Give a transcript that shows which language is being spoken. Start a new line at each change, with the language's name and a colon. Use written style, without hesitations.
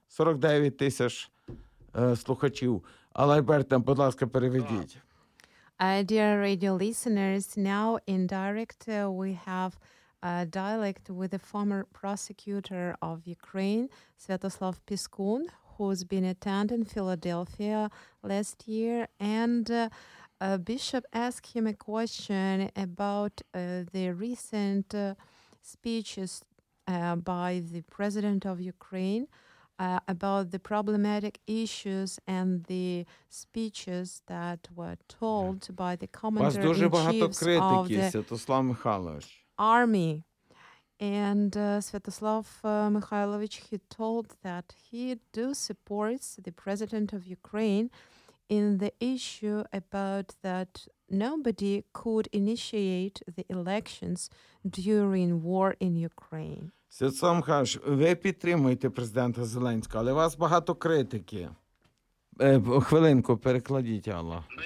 Ukrainian: 49 тисяч слухачів. Алла Альберта, будь ласка, переведіть.
English: Dear radio listeners, now in direct we have a dialect with the former prosecutor of Ukraine, Святослав Піскун, who's been attending Philadelphia last year, and Bishop asked him a question about the recent speeches by the president of Ukraine about the problematic issues and the speeches that were told by the commander-in-chief of the army. And Svetoslav Mikhailovich, he told that he do supports the president of Ukraine in the issue about that nobody could initiate the elections during war in Ukraine.
Ukrainian: Святослав Михайлович, ви підтримуєте президента Зеленського, але у вас багато критики. Хвилинку, перекладіть, Алла.